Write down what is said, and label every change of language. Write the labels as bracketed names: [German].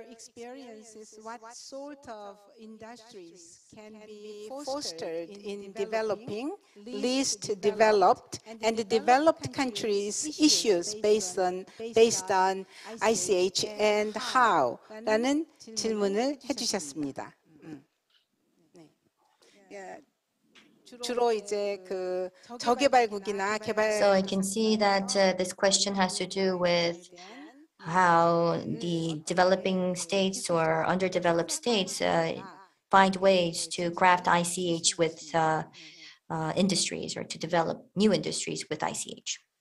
[English] Experiences, what sort of industries can be fostered in developing least developed and developed countries issues based on ICH and how? [Korean] 라는 질문을 해주셨습니다. 주로 이제 그 저개발국이나 개발. [English] So I can see that this question has to do with how the developing states or underdeveloped states find ways to craft ICH with industries or to develop new industries with ICH.